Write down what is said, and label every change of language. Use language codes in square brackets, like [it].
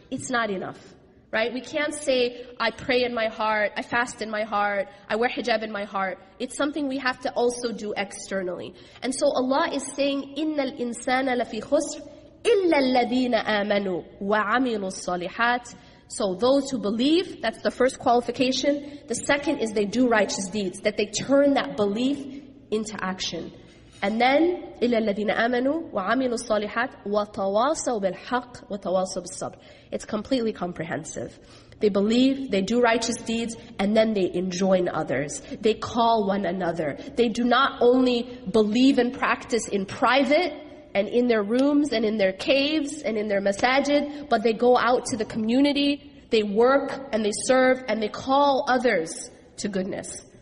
[en] It's not enough, right? We can't say I pray in my heart, I fast in my heart, I wear hijab in my heart. It's something we have to also do externally. And so Allah is saying, [ar] إِنَّ الْإِنسَانَ لَفِي خُسْرٍ إِلَّا الَّذِينَ آمَنُوا وَعَمِلُوا الصَّالِحَاتِ. [en] So those who believe, that's the first qualification. The second is they do righteous deeds, that they turn that belief into action. And then, [ar] إِلَّا الَّذِينَ آمَنُوا وَعَمِلُوا الصَّالِحَاتِ وَتَوَاصَوا بِالْحَقِّ وَتَوَاصَوا بِالصَّبْرِ. [en] It's completely comprehensive. They believe, they do righteous deeds, and then they enjoin others. They call one another. They do not only believe and practice in private, and in their rooms, and in their caves, and in their masajid, but they go out to the community, they work, and they serve, and they call others to goodness.